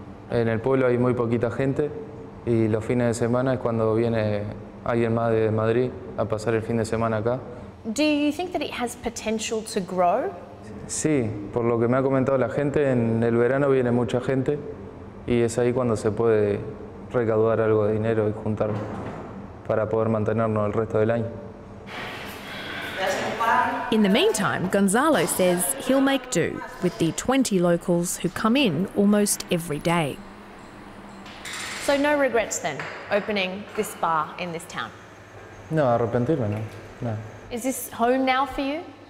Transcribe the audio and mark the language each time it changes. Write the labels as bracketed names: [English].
[Spanish] En el pueblo hay muy poquita gente y los fines de semana es cuando viene alguien más de Madrid a pasar el fin de semana acá. [English] Do you think that it has potential to grow? [Spanish] Sí, por lo que me ha comentado la gente, en el verano viene mucha gente y es ahí cuando se puede recaudar algo de dinero y juntar para poder mantenernos el resto del año. [English] In the meantime, Gonzalo says he'll make do with the 20 locals who come in almost every day. So no regrets then, opening this bar in this town? [Spanish] No, arrepentirme, no. No. [English] Is this home now for you?